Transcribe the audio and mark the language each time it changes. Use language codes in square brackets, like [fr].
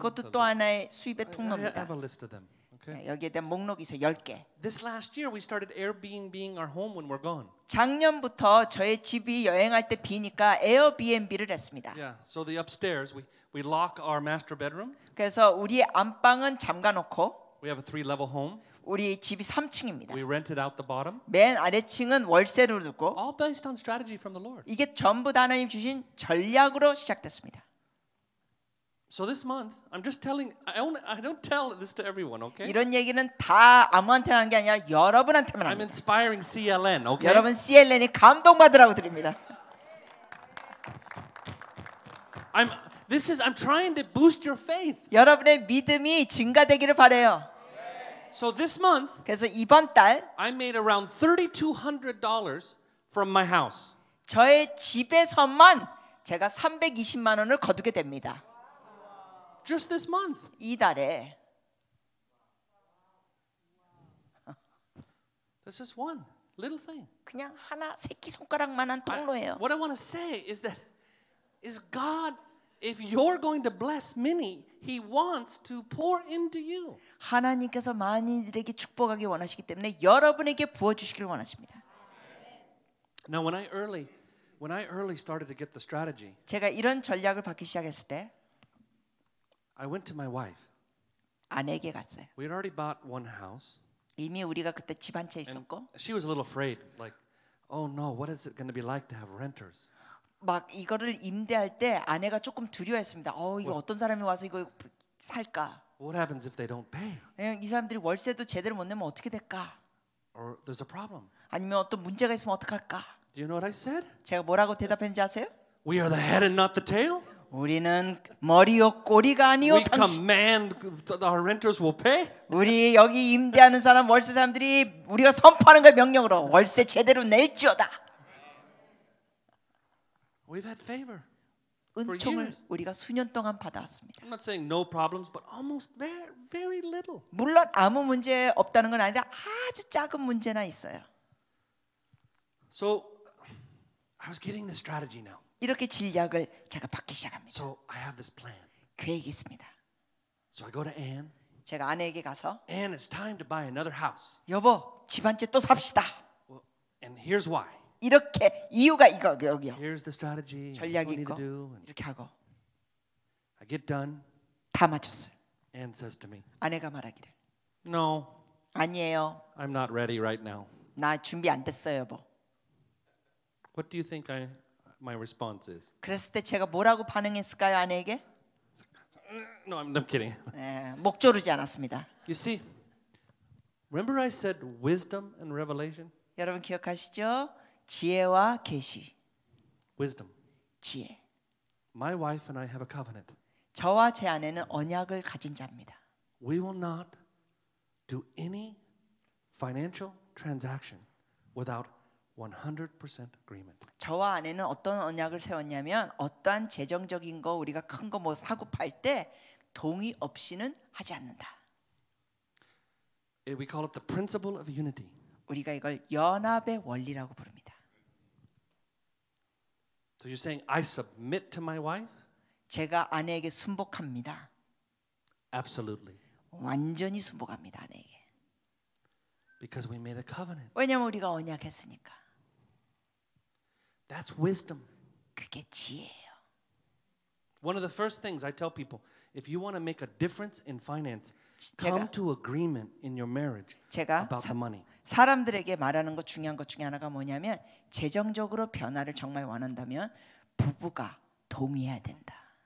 [ko] 그것도 또 하나의 수입의 통로입니다. [en] I have a list of them. Okay. [ko] 여기에 대한 목록이 있어요. 열 개. [en] This last year we started Airbnb our home when we're gone. [ko] 작년부터 저의 집이 여행할 때 비니까 에어비앤비를 했습니다. [en] Yeah, so the upstairs we lock our master bedroom. [ko] 그래서 우리 안방은 잠가 놓고 [en] We have a three level home. [ko] 우리 집이 3층입니다. [en] We rented out the bottom. [ko] 맨 아래층은 월세로 듣고 [en] All based on strategy from the Lord. [ko] 이게 전부 다 하나님 주신 전략으로 시작됐습니다. [en] So this month I'm just telling I don't tell this to everyone, okay? [ko] 이런 얘기는 다 아무한테 하는 게 아니라 여러분한테만 합니다. [en] I'm inspiring CLN, okay? [ko] 여러분 CLN이 감동받으라고 드립니다. [en] I'm trying to boost your faith. [ko] 여러분의 믿음이 증가되기를 바래요. [en] So this month [ko] 그래서 이번 달 [en] I made around $3,200 from my house. [ko] 저의 집에서만 제가 320만 원을 거두게 됩니다. [en] Just this month. [ko] 이 달에. [en] This is one little thing. [ko] 그냥 하나 새끼 손가락만한 통로예요. [en] What I want to say is that is God if you're going to bless many, he wants to pour into you. [ko] 하나님께서 많이들에게 축복하기 원하시기 때문에 여러분에게 부어 주시길 원하십니다. [en] Now when I early started to get the strategy. [ko] 제가 이런 전략을 받기 시작했을 때 [en] I went to my wife. [ko] 아내에게 갔어요. [en] We had already bought one house. [ko] 이미 우리가 그때 집 한 채 있었고. [en] She was a little afraid, like, oh no, what is it going to be like to have renters? [ko] 막 이거를 임대할 때 아내가 조금 두려워했습니다. 어, 이거 what, 어떤 사람이 와서 이거 살까? [en] What happens if they don't pay? [ko] 이 사람들이 월세도 제대로 못 내면 어떻게 될까? [en] Or there's a problem. [ko] 아니면 어떤 문제가 있으면 어떡할까? [en] Do you know what I said? [ko] 제가 뭐라고 대답했는지 아세요? [en] We are the head and not the tail. [ko] 우리는 머리요 꼬리가 아니요 [en] We command our renters will pay. [ko] 우리 여기 임대하는 사람 월세 사람들이 우리가 선포하는 걸 명령으로 월세 제대로 낼지어다. [en] We've had favor. [ko] 은총을 우리가 수년 동안 받아왔습니다. [en] I'm not saying no problems, but almost very little. [ko] 물론 아무 문제 없다는 건 아니라 아주 작은 문제나 있어요. [en] So I was getting the strategy now. [ko] 이렇게 진략을 제가 받기 시작합니다. [en] So I have this plan. [ko] 계획이 있습니다. [en] So I go to Anne. [ko] 제가 아내에게 가서 [en] Anne, it's time to buy another house. [ko] 여보, 집 한 채 또 삽시다. [en] Well, and here's why. [ko] 이렇게 이유가 이거 여기요. [en] Here's the strategy. [ko] 전략이 있고 이렇게 하고 [en] I get done. [ko] 다 마쳤어요. [en] Anne says to me. [ko] 아내가 말하기를 [en] No. [ko] 아니에요. [en] I'm not ready right now. [ko] 나 준비 안 됐어요, 여보. [en] What do you think I My response is. [ko] 그랬을 때 제가 뭐라고 반응했을까요 아내에게? [en] No, I'm kidding. [ko] 예, 목 조르지 않았습니다. [en] You see, remember I said wisdom and revelation. [ko] 여러분 기억하시죠? 지혜와 계시. [en] Wisdom. [ko] 지혜. [en] My wife and I have a covenant. [ko] 저와 제 아내는 언약을 가진 자입니다. [en] We will not do any financial transaction without 100% agreement. [ko] 저와 아내는 어떤 언약을 세웠냐면 어떠한 재정적인 거 우리가 큰 거 뭐 사고 팔 때 동의 없이는 하지 않는다. [en] We call it the principle of unity. [ko] 우리가 이걸 연합의 원리라고 부릅니다. [en] So you're saying I submit to my wife? [ko] 제가 아내에게 순복합니다. [en] Absolutely. [ko] 완전히 순복합니다, 아내에게. [en] Because we made a covenant. [ko] 왜냐면 우리가 언약했으니까. [en] That's wisdom. [ko] 그게 지혜예요. [en] One of the first things I tell people, if you want to make a difference in finance, come to agreement in your marriage about the money. [ko] 사람들에게 말하는 것 중요한 것 중에 하나가 뭐냐면 재정적으로 변화를 정말 원한다면 부부가 동의해야 된다.